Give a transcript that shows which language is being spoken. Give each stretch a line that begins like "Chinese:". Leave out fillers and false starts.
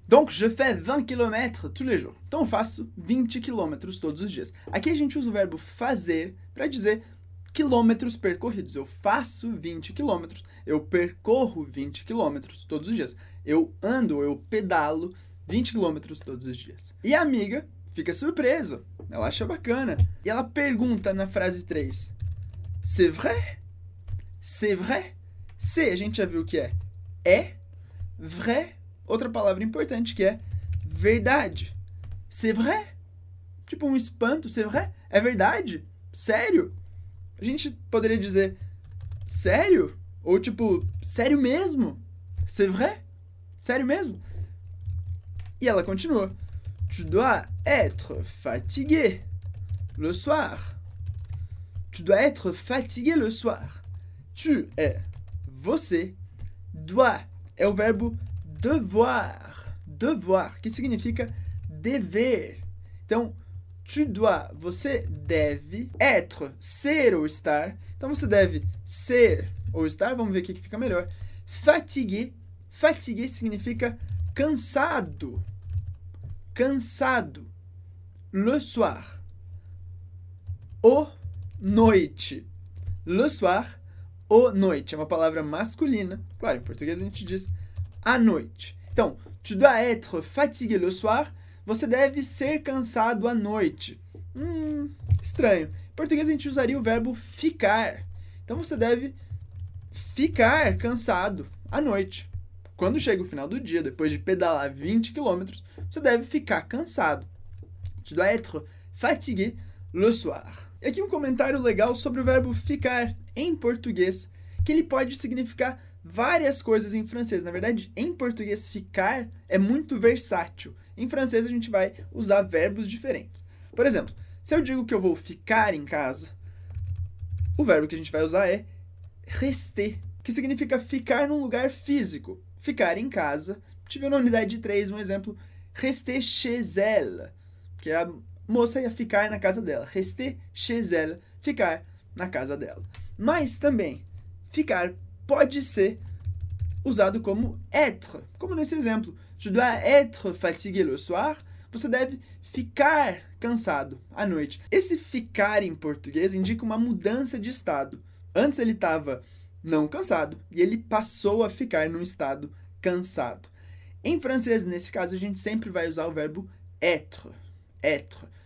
French: Donc, je fais 20 km tous les jours.
Portuguese: Então, eu faço 20 km todos os dias. Aqui a gente usa o verbo fazer para dizer quilômetros percorridos. Eu faço 20 km, eu percorro 20 km todos os dias. Eu ando, eu pedalo 20 km todos os dias. E a amiga fica surpresa, ela acha bacana. E ela pergunta na frase 3,
French: c'est vrai? C'est vrai?
Portuguese: C'est, a gente já viu o que é. É. Vrai, outra palavra importante que é verdade.
French: C'est vrai?
Portuguese: Tipo um espanto,
French: c'est vrai?
Portuguese: É verdade? Sério? A gente poderia dizer, sério? Ou tipo, sério mesmo?
French: C'est vrai?
Portuguese: Sério mesmo? E ela continua.
French: Tu dois être fatigué le soir. Tu dois être fatigué le soir.
Portuguese: Tu é você, doit é o verbo devoir, devoir, que significa dever. Então, tu dois, você deve, être, ser ou estar. Então, você deve ser ou estar, vamos ver o que fica melhor. Fatigué, fatigué significa cansado, cansado.
French: Le soir,
Portuguese: o noite,
French: le soir.
Portuguese: O noite é uma palavra masculina. Claro, em português a gente diz à noite.
French: Então, tu dois être fatigué le soir.
Portuguese: Você deve ser cansado à noite. Estranho. Em português a gente usaria o verbo ficar. Então, você deve ficar cansado à noite. Quando chega o final do dia, depois de pedalar 20 km, você deve ficar cansado.
French: Tu dois être fatigué le soir.
Portuguese: E aqui um comentário legal sobre o verbo ficar em português, que ele pode significar várias coisas em francês. Na verdade, em português, ficar é muito versátil. Em francês, a gente vai usar verbos diferentes. Por exemplo, se eu digo que eu vou ficar em casa, o verbo que a gente vai usar é rester, que significa ficar num lugar físico. Ficar em casa. Tive na unidade 3 um exemplo,
French: rester chez elle,
Portuguese: que é a moça ia ficar na casa dela.
French: Rester chez elle,
Portuguese: ficar na casa dela. Mas também, ficar pode ser usado como être. Como nesse exemplo,
French: tu dois être fatigué le soir.
Portuguese: Você deve ficar cansado à noite. Esse ficar em português indica uma mudança de estado. Antes ele estava não cansado e ele passou a ficar num estado cansado. Em francês, nesse caso, a gente sempre vai usar o verbo être. Être.